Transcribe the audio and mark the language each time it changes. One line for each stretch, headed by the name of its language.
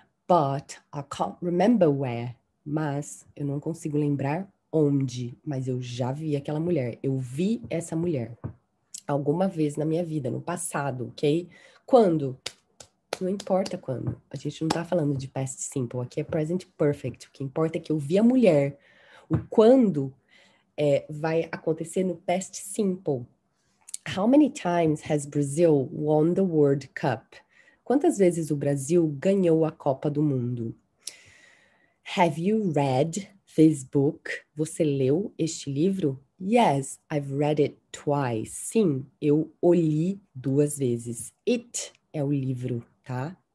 English: But I can't remember where.
Portuguese: Mas eu não consigo lembrar onde, mas eu já vi aquela mulher. Eu vi essa mulher alguma vez na minha vida, no passado, ok? Quando? Não importa quando. A gente não tá falando de past simple. Aqui é present perfect. O que importa é que eu vi a mulher. O quando vai acontecer no past simple.
English: How many times has Brazil won the World Cup?
Portuguese: Quantas vezes o Brasil ganhou a Copa do Mundo?
English: Have you read this book?
Portuguese: Você leu este livro?
English: Yes, I've read it twice.
Portuguese: Sim, eu o li duas vezes. It é o livro, tá?